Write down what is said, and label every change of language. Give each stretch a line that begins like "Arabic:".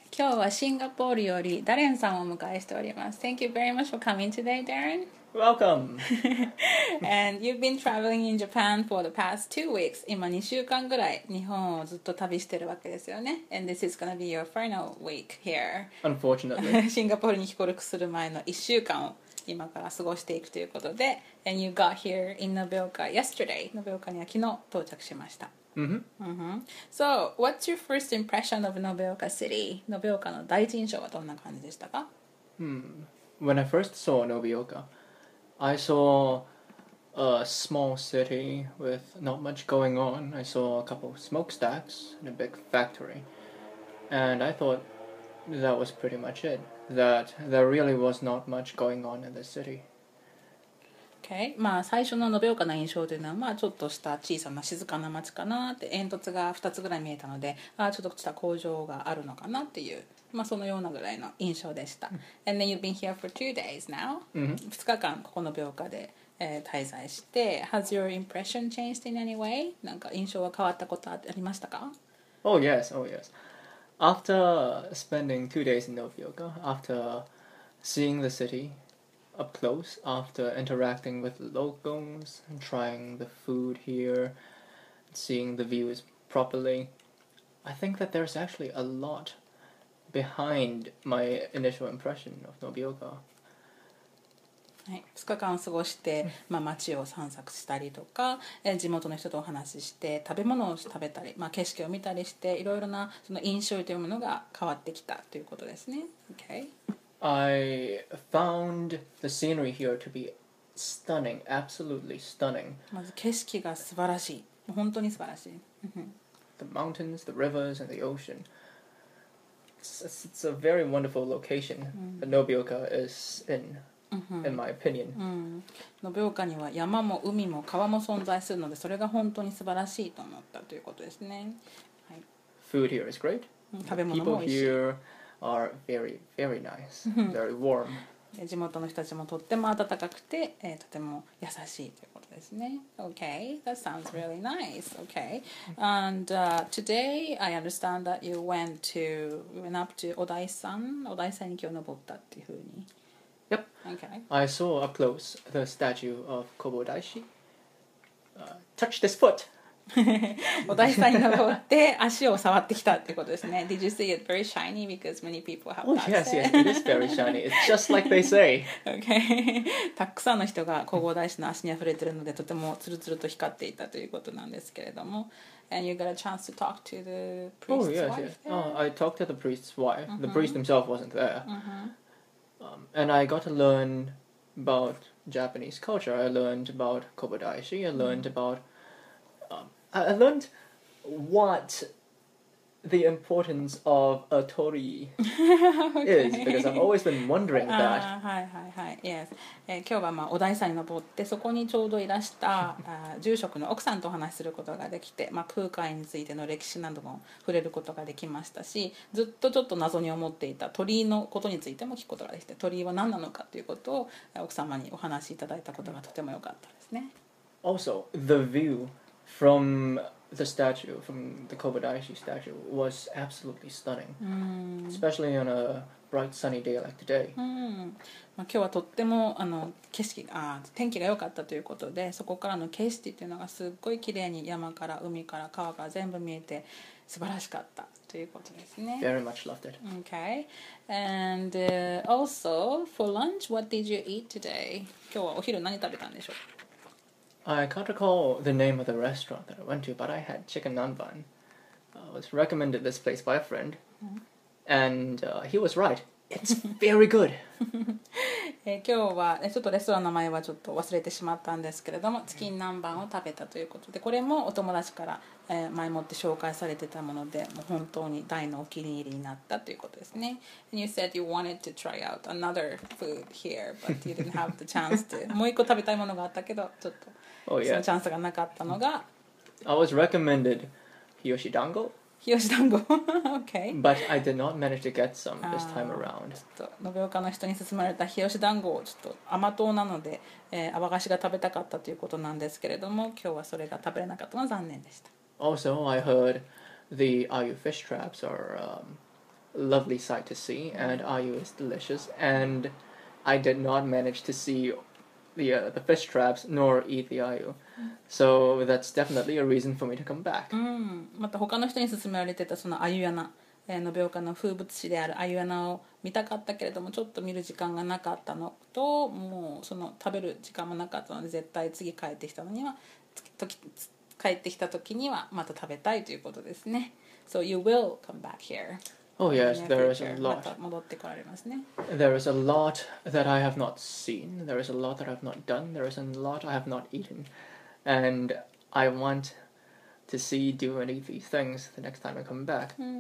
Japanese: 今日はシンガポールよりダレンさんを迎えしております。
English: Thank you very much for coming today, Darren. Welcome. And you've been traveling in Japan for the past 2 weeks.
Japanese: 今2週間ぐらい日本をずっと旅してるわけですよね。
English: And this is gonna be your final week here. Unfortunately.
Japanese: シンガポールに帰国する前の1週間を今から過ごしていくということで。
English: And you got here in Nobeoka yesterday. Nobeoka
Japanese: には昨日到着しました。
English: So, what's your first impression of Nobeoka City?
Japanese: Nobeoka の第一印象はどんな感じでしたか?
English: When I first saw Nobeoka, I saw a small city with not much going on. I saw a couple of smokestacks and a big factory. And I thought that was pretty much it. That there really was not much going on in the city. Okay.
Japanese: まあ最初の延岡の印象というのはまあちょっとした小さな静かな町かなって、煙突が2つぐらい見えたので、ああちょっとした工場があるのかなっていう、まあそのようなぐらいの印象でした。
English: And then you've been here for 2 days now、 mm-hmm.
Japanese: 2日間ここの延岡で、滞在して、
English: Has your impression changed in any way?
Japanese: なんか印象は変わったことありましたか?
English: Oh yes, oh yes. After spending 2 days in 延岡, after seeing the cityup close, after interacting with locals and trying the food here, seeing the views properly, I think that there's actually a lot behind my initial impression of Nobeoka.
Japanese: はい、2日間過ごして、まあ、街を散策したりとか、地元の人とお話しして食べ物を食べたり、まあ、景色を見たりして、いろいろなその印象というものが変わってきたということですね。
English: Okay. I found the scenery here to be stunning, absolutely stunning.
Japanese: まず景色が素晴らしい。本当に素晴らしい。
English: The mountains, the rivers, and the ocean. It's a very wonderful location that Nobeoka is in my opinion.
Japanese: Nobeoka には山も海も川も存在するので、それが本当に素晴らしいと思ったということですね。
English: Food here is great.
Japanese: 食べ物も美味しい。
English: Are very, very nice, very warm.
Japanese: 地元の人たちもとっても温かくて、とても優しいということですね。
English: Okay, that sounds really nice. Okay, and today I understand that you went up to Odaisan.
Japanese: Odaisan に今日登ったっていうふうに。
English: Yep. Okay. I saw up close the statue of Kobo Daishi. Touch this foot.
Japanese: お台さんに登って足を触ってきたってことですね。
English: Did you see it very shiny? Because many people have that. Oh yes, yes, it is very shiny. It's just like they say. Okay.
Japanese: たくさんの人が弘法大師の足にあふれてるので、とてもツルツルと光っていたということなんですけれども。
English: And you got a chance to talk to the priest's wife? Oh yes, yes. I talked to the priest's wife. The priest himself wasn't there. And I got to learn about Japanese culture. I learned about Kobo Daishi. I learned aboutI learned what the importance of a torii is, because I've always been wondering that. Yes.
Japanese: 今日はまあお台さんに登って、そこにちょうどいらした住職の奥さんとお話しすることができて、まあ、空海についての歴史なども触れることができましたし、ずっとちょっと謎に思っていた鳥居のことについても聞くことができて、鳥居は何なのかということを奥様にお話しいただいたことがとても良かったですね。
English: Also, the viewFrom the statue, from the Kobo Daishi statue, was absolutely stunning. Especially on a bright sunny day like today.
Japanese: まあ、今日はとってもあの景色が、天気が良かったということで、そこからの景色というのがすっごい綺麗に、山から海から川から全部見えて素晴らしかったということですね。
English: Very much loved it. Okay. And also, for lunch, what did you eat today?
Japanese: 今日はお昼何食べたんでしょう?
English: I can't recall the name of the restaurant that I went to, but I had chicken nanban. I was recommended this place by a friend, and he was right. It's very good.
Japanese: 今日はちょっとレストランの名前はちょっと忘れてしまったんですけれども、チキン南蛮を食べたということで、これもお友達から前もって紹介されてたもので、もう本当に大のお気に入りになったということですね。
English: And you said you wanted to try out another food here, but you didn't have the chance to.
Japanese: もう一個食べたいものがあったけど、ちょっとそのチャンスがなかったのが。
English: I was recommended 日吉団子。
Japanese: 日吉団子okay.
English: But I did not manage to get some this time around.
Japanese: ちょっと延岡の人に勧められた日吉団子をちょっと甘党なので、泡菓子が食べたかったということなんですけれども、今日はそれが食べれなかったのは残念でした。
English: Also, I heard the Ayu fish traps are lovely sight to see, and ayu is delicious. And I did not manage to see the fish traps nor eat the ayu. So that's definitely a reason for me to come back.
Japanese: また他の人に勧められてたそのアユアナ、延岡の風物詩であるアユアナを見たかったけれども、ちょっと見る時間がなかったのと、もうその食べる時間もなかったので、絶対次帰ってきたのには、帰ってきた時にはまた食べたいということですね。
English: So you will come back here. Oh yes, there is a lot.
Japanese: また戻ってこられますね。
English: There is a lot that I have not seen. There is a lot that I have not done. There is a lot I have not eaten. And I want to see, do and eat these things the next time I come back.